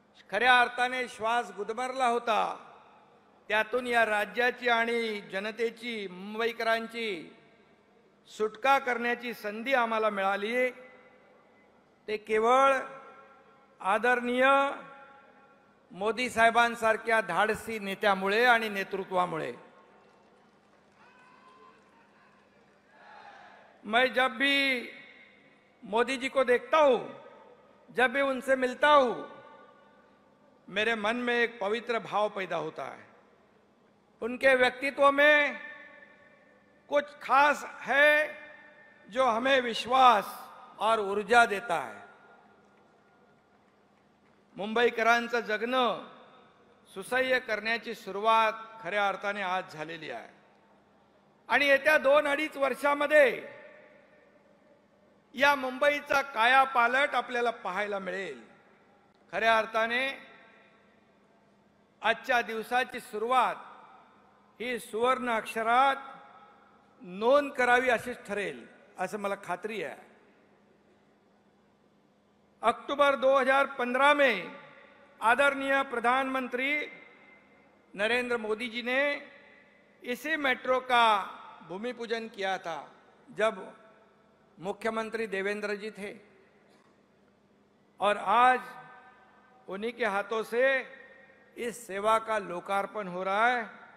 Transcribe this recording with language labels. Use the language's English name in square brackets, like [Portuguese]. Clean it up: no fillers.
[Marathi] खऱ्या अर्थाने श्वास गुदमरला होता त्यातून या राज्याची आणि जनतेची मुंबईकरांची सुटका करण्याची संधी आम्हाला मिळाली ते केवळ आदरणीय मोदी साहेबांसारख्या धाडसी नेत्यामुळे आणि नेतृत्वामुळे. [Hindi] मैं जब भी मोदी जी को देखता हूं, जब भी उनसे मिलता हूं, मेरे मन में एक पवित्र भाव पैदा होता है. उनके व्यक्तित्व में कुछ खास है जो हमें विश्वास और ऊर्जा देता है. [Marathi] मुंबईकरांचं जगणं सुसह्य करण्याची सुरुवात खऱ्या अर्थाने आज झालेली आहे आणि येत्या 2-2.5 वर्षामध्ये या मुंबईचा कायापालट आपल्याला पाहायला मिळेल. खऱ्या अर्थाने आजच्या दिवसाची सुरुवात ही सुवर्ण अक्षरात नोंद करावी अशीच ठरेल असं मला खात्री आहे. [Hindi] अक्टूबर 2015 में आदरणीय प्रधानमंत्री नरेंद्र मोदी जी ने इसी मेट्रो का भूमि पूजन किया था जब मुख्यमंत्री देवेंद्र जी थे और आज उन्हीं के हाथों से इस सेवा का लोकार्पण हो रहा है.